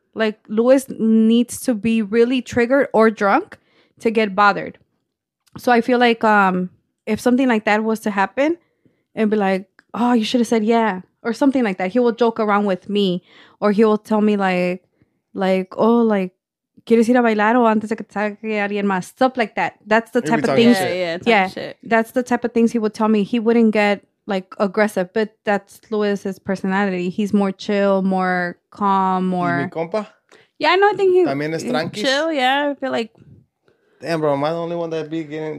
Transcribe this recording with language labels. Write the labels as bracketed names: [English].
[English] Like, Luis needs to be really triggered or drunk to get bothered. So I feel like, if something like that was to happen, and be like, oh, you should have said yeah, or something like that. He will joke around with me, or he will tell me like, [Spanish] like, oh, like, ¿quieres ir a bailar o antes de que te salga alguien más? [English] Stuff like that. That's the type of things. That's the type of things he would tell me. He wouldn't get, like, aggressive, but that's Luis's personality. He's more chill, more calm, more... [Spanish] ¿Y mi compa? [English] Yeah, I know. I think he's... [Spanish] ¿También es tranqui? [English] Chill, yeah. I feel like... Damn, bro. Am I the only one that'd be getting...